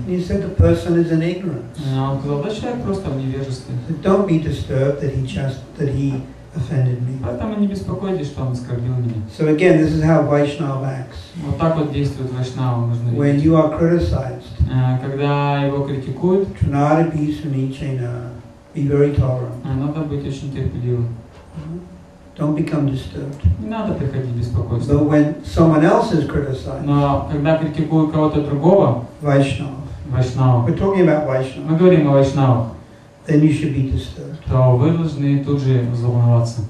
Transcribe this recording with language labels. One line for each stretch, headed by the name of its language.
English: He said the person is in ignorance.
Russian: Он сказал, да, человек просто в невежестве.
English: Don't be disturbed that he offended me.
Russian: Поэтому не беспокойтесь, что он оскорбил меня.
English: So again, this is how Vaishnava acts.
Russian: Вот так вот действует Вайшнава, можно видеть.
English: When you are criticized,
Russian: когда его критикуют,
English: to not abuse me, China, be very tolerant.
Russian: Надо быть очень терпеливым.
English: Don't become disturbed.
Russian: Не надо приходить в беспокойство.
English: But when someone else is criticized,
Russian: но когда критикуют кого-то другого,
English: Вайшнава. We're talking about Vaishnava.
Russian: Мы говорим о Вайшнаве.
English: Then you should be disturbed.
Russian: То вы должны тут же взволноваться.